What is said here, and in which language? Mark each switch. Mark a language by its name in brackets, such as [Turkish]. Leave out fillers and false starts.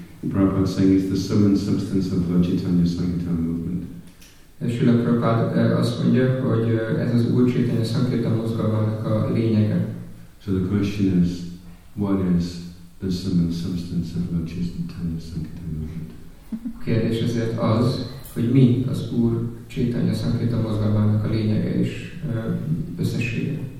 [English] Prabhupada saying it's the sum and substance of Lord Chaitanya Sankirtan movement. [Hungarian] Srila Prabhupada azt mondja, hogy ez az Úr Chaitanya Sankirtan mozgalmának a lényege. [English] So the question is, what is the sum and substance of Lord Chaitanya Sankirtan movement? [Hungarian] A kérdés ezért az, hogy mi az Úr Chaitanya Sankirtan mozgalmának a lényege és összessége.